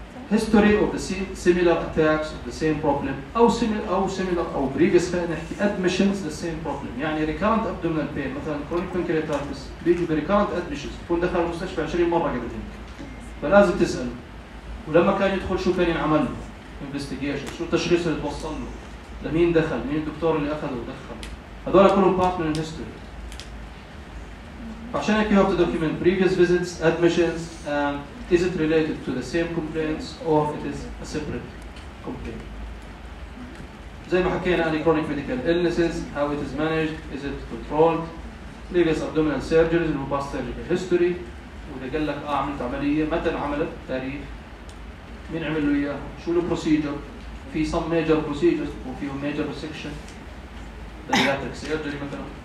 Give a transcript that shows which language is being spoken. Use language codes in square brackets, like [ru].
[ar] هيستوري أو سيميلر أتاكس أو سيم بروبلم أو سيميلر أو سيميلر أو بريفيس، خلينا نحكي أدمشنز للسيم بروبلم، يعني ريكارنت أبدومينال بين مثلا كرونيك بنكرياتيتس بيجي بريكارنت أدمشنز، بكون دخل المستشفى 20 مرة قبل هيك. فلازم تسأل ولما كان يدخل شو كان ينعمل له؟ انفستيجيشن، شو التشخيص اللي توصل له؟ لمين دخل؟ مين الدكتور اللي أخذه ودخل؟ هذول كلهم بارت من الهيستوري. عشان هيك [en] You have to document previous visits admissions and Is it related to the same complaints or it is a separate complaint? [ar] زي ما حكينا عن [en] chronic medical illnesses, how it is managed, is it controlled, previous abdominal surgeries and past surgical history. [ar] وإذا قال لك آه عملت عملية، متى عملت؟ تاريخ، مين عمل له إياها؟ شو ال procedure؟ في [en] some major procedures [ar] وفيهم [en] major resection, bariatric surgery [ar] مثلا.